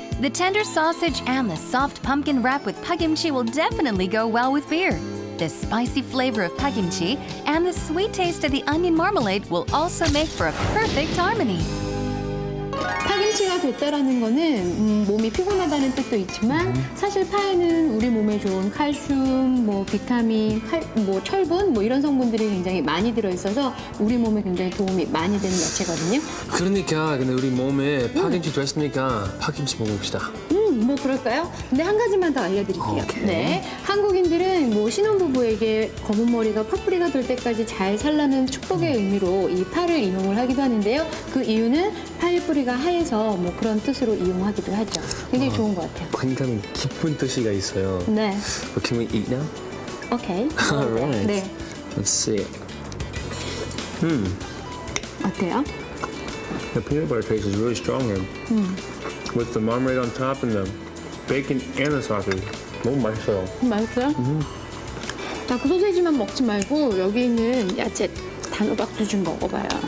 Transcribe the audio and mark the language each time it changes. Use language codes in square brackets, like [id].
[en] The tender sausage and the soft pumpkin wrap with pa-kimchi will definitely go well with beer. The spicy flavor of pa-kimchi and the sweet taste of the onion marmalade will also make for a perfect harmony. [ko] 파김치가 됐다라는 거는 몸이 피곤하다는 뜻도 있지만 사실 파에는 우리 몸에 좋은 칼슘, 뭐 비타민, 철분 뭐 이런 성분들이 굉장히 많이 들어있어서 우리 몸에 굉장히 도움이 많이 되는 야채거든요. 그러니까 근데 우리 몸에 파김치 됐으니까 파김치 먹읍시다. 뭐 그럴까요? 근데 한 가지만 더 알려드릴게요. [en] 오케이. [ko] 네, 한국인들은 뭐 신혼부부에게 검은 머리가 퍼플이가 될 때까지 잘 살라는 축복의 의미로 이 파를 이용을 하기도 하는데요. 그 이유는 파의 뿌리가 하얘서 뭐 그런 뜻으로 이용하기도 하죠. 굉장히 좋은 것 같아요. 굉장히 깊은 뜻이 있어요. 네. [en] Can we eat now? Okay. Alright. [ko] 네. [en] Let's see. [ko] 어때요? [en] The peanut butter taste is really strong here. With the marmalade on top and the bacon and the sausage. [ko] 너무 맛있어요. 맛있어요? 자, 그 소세지만 먹지 말고 여기 있는 야채 단호박도 좀 먹어봐요.